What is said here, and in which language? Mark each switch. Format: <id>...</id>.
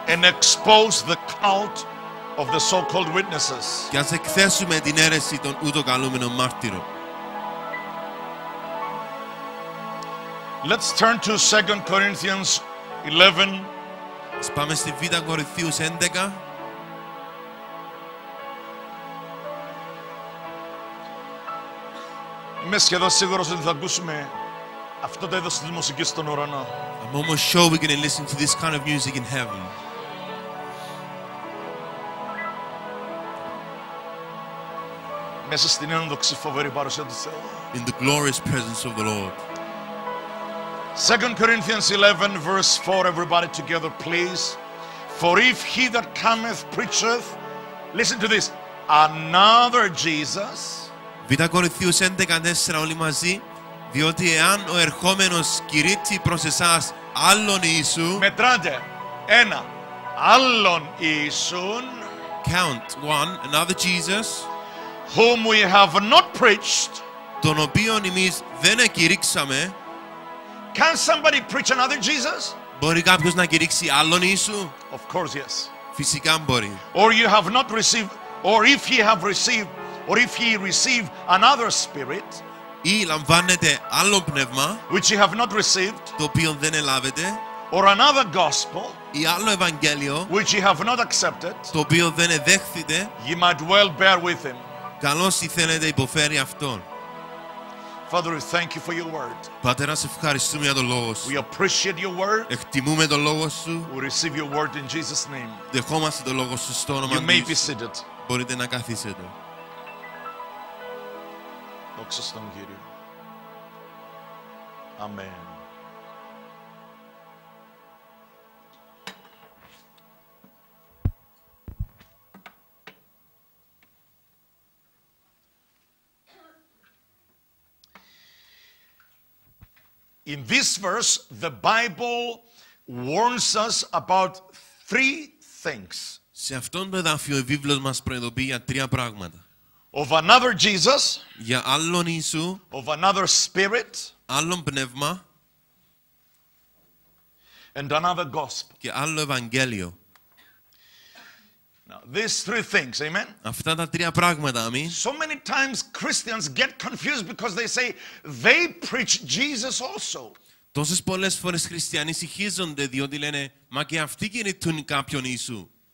<en>And expose the cult of the so-called witnesses.</en> <el>Και ας εκθέσουμε την αίρεση των ουδοκαλούμενων μάρτυρων.</el> <en>Let's turn to 2 Corinthians 11.</en> <el>Ας πάμε στη Β' Κορινθίους 11. Είμαι σχεδόν σίγουρος ότι θα ακούσουμε αυτό το είδος της μουσικής στον ουρανό.</el> <en>I'm almost sure we're going to listen to this kind of music in heaven.</en> <el>Μέσα στην ένδοξη φοβερή παρουσία του Θεού.</el> <en>In the glorious presence of the Lord. 2 Corinthians 11 verse 4, everybody together please. For if he that cometh preacheth, listen to this, another Jesus.</en> <el>Β' Κορινθίους 11:4 όλοι μαζί. Διότι εάν ο ερχόμενος κηρύττει προς εσάς άλλον Ιησού. Μετράτε. Ένα. Άλλον Ιησού.</el> <en>Count. One. Another Jesus. Whom we have not preached.</en> <el>Τον οποίον εμείς δεν εκηρύξαμε.</el> <en>Can somebody preach another Jesus?</en> <el>Μπορεί κάποιος να κηρύξει άλλον Ιησού?</el> <en>Of course, yes.</en> <el>Φυσικά μπορεί.</el> <en>Or you have not received, or if you have received, or if you receive another spirit,</en> <el>ή λαμβάνετε άλλο πνεύμα,</el> <en>which you have not received,</en> <el>το οποίο δεν ελάβετε,</el> <en>or another gospel,</en> <el>ή άλλο Ευαγγέλιο,</el> <en>which you have not accepted,</en> <el>το οποίο δεν εδέχθητε,</el> <en>you might well bear with him.</en> <el>Καλώς ή θέλετε υποφέρει αυτόν.</el> <en>Father, we thank you for your word.</en> <el>Πατέρα, να σε ευχαριστούμε για το λόγο σου.</el> <en>We appreciate your word.</en> <el>Εκτιμούμε το λόγο σου.</el> <en>We receive your word in Jesus' name.</en> <el>Δεχόμαστε το λόγο σου στο όνομα</el> <en>του. You may be seated.</en> <el>Μπορείτε να καθίσετε. Δόξα στον Κύριο. Αμέν.</el> <en>In this verse, the Bible warns us about three things.</en> <el>Σε αυτόν τον εδάφιο η Βίβλος μας προειδοποιεί για τρία πράγματα.</el> <en>Of another Jesus.</en> <el>Για άλλον Ιησού.</el> <en>Of another spirit.</en> <el>Άλλον πνεύμα.</el> <en>And another gospel.</en> <el>Και άλλο Ευαγγέλιο.</el> <en>Now, these three things, amen?</en> <el>Αυτά τα τρία πράγματα, αμήν.</el> <en>So many times Christians get confused because they say they preach Jesus also.</en> <el>Τόσες πολλές φορές χριστιανοί συγχύζονται διότι λένε μα και αυτοί κηρυττούν κάποιον Ιησού.</el>